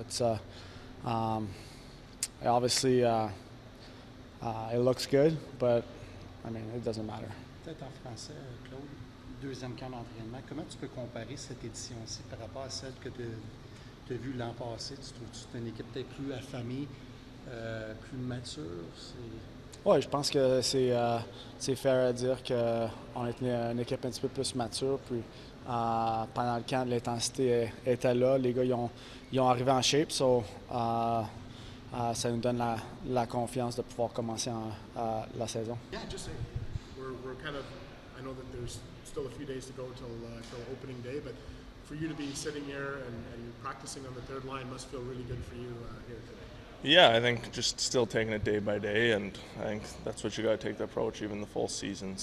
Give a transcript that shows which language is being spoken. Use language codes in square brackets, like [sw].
[en] It's obviously it looks good, but I mean, it doesn't matter. [fr] Peut-être en français, Claude, deuxième camp d'entraînement. Comment tu peux comparer cette édition-ci par rapport à celle que tu as vue l'an passé? Tu trouves que tu es une équipe peut-être plus affamée, plus mature? Oui, je pense que c'est fair à dire qu'on est une équipe un petit peu plus mature. Puis pendant le camp, l'intensité était là. Les gars, ils ont arrivé en shape. So, ça nous donne la confiance de pouvoir commencer la saison. [en] Yeah, just say, we're kind of, I know that there's still a few days to go until opening day, but for you to be sitting here and practicing on the third line must feel really good for you here today. Yeah, I think just still taking it day by day, and I think that's what you got to take the approach even the full season.